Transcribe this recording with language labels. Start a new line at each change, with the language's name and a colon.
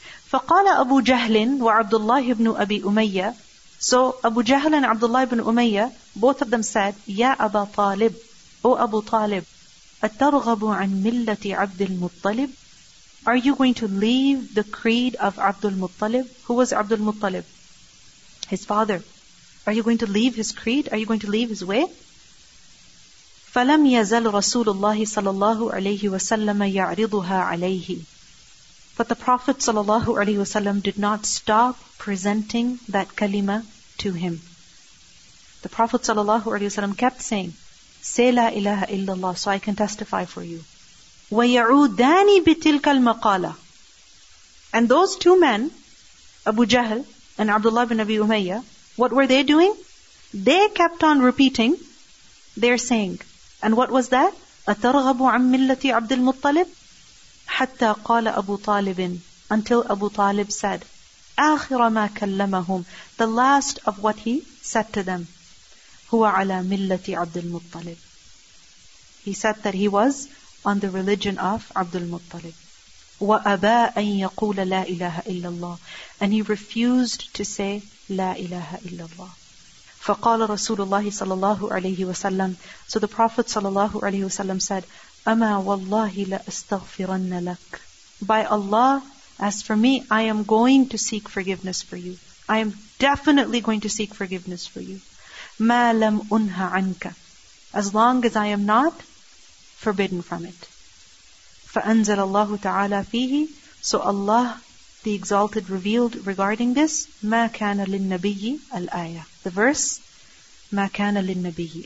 Arabic: فَقَالَ أَبُو جَهْلٍ وَعَبْدُ اللَّهِ بْنُ أَبِي أُمَيَّةٍ
English: So Abu Jahl and Abdullah ibn Umayyah, both of them said,
Arabic: يَا أَبَا طَالِبْ
English: O Abu Talib,
Arabic: أَتَّرْغَبُ عَنْ مِلَّةِ عَبْدِ الْمُطَّلِبِ
English: Are you going to leave the creed of Abdul Muttalib? Who was Abdul Muttalib? His father. Are you going to leave his creed? Are you going to leave his way?
Arabic: فَلَمْ يَزَلْ رَسُولُ اللَّهِ صَلَى اللَّهُ عَلَيْهِ وَسَلَّمَ يَعْرِضُهَا عَلَيْهِ
English: But the Prophet صلى الله عليه وسلم did not stop presenting that kalima to him. The Prophet صلى الله عليه وسلم kept saying, Say
Arabic: لا إله إلا الله
English: so I can testify for you.
Arabic: وَيَعُودَانِ بِتِلْكَ الْمَقَالَةِ
English: And those two men, Abu Jahl and Abdullah bin Abi Umayyah, what were they doing? They kept on repeating, they're saying, And what was that?
Arabic: أَتَرْغَبُ عَمْ مِلَّةِ عَبْدِ الْمُطَّلِبِ حَتَّى قَالَ أَبُو طَالِبٍ
English: Until Abu Talib said,
Arabic: آخِرَ مَا كَلَّمَهُمْ
English: The last of what he said to them,
Arabic: هُوَ عَلَى مِلَّةِ عَبْدِ الْمُطَّلِبِ
English: He said that he was on the religion of Abdul Muttalib.
Arabic: وَأَبَىٰ أَن يَقُولَ لَا إِلَهَ إِلَّا اللَّهِ
English: And he refused to say,
Arabic: لَا إِلَهَ إِلَّا اللَّهِ فَقَالَ رَسُولُ اللَّهِ صَلَى اللَّهُ عَلَيْهِ وَسَلَّمْ
English: So the Prophet صلى الله عليه وسلم said,
Arabic: أَمَا وَاللَّهِ لَأَسْتَغْفِرَنَّ لَكَ
English: By Allah, as for me, I am going to seek forgiveness for you. I am definitely going to seek forgiveness for you.
Arabic: مَا لَمْ أُنْهَ عَنْكَ
English: As long as I am not forbidden from it.
Arabic: فَأَنزَلَ اللَّهُ تَعَالَى فِيهِ
English: So Allah, the Exalted, revealed regarding this,
Arabic: مَا كَانَ لِلنَّبِيِّ الْآيَةِ
English: The verse,
Arabic: مَا كَانَ لِلنَّبِيِّ